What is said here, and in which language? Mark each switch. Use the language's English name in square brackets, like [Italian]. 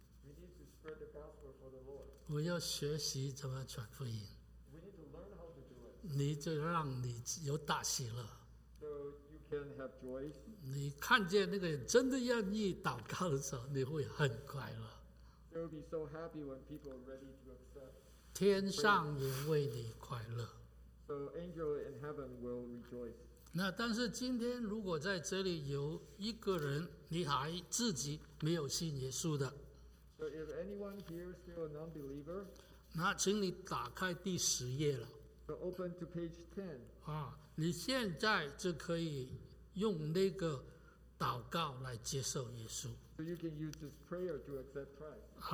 [English] We need to spread the gospel for the Lord. [Chinese] 我要学习怎么传福音。 [English] We need to learn how to do it. [Chinese] 你就让你有大喜乐。 [English] So you can have joy. [Chinese] 你看见那个人真的愿意祷告的时候，你会很快乐。 [English] They will be so happy when people are ready to accept. [Chinese] 天上也为你快乐。 [English] So angel in heaven will rejoice. [Chinese] 那但是今天如果在这里有一个人，你还自己没有信耶稣的。 [English] So if anyone here is still a non-believer, [Chinese] 那请你打开第十页了。 [English] So open to page 10. [Chinese] 啊，你现在就可以用那个祷告来接受耶稣。 [English] So you can use this prayer to accept Christ.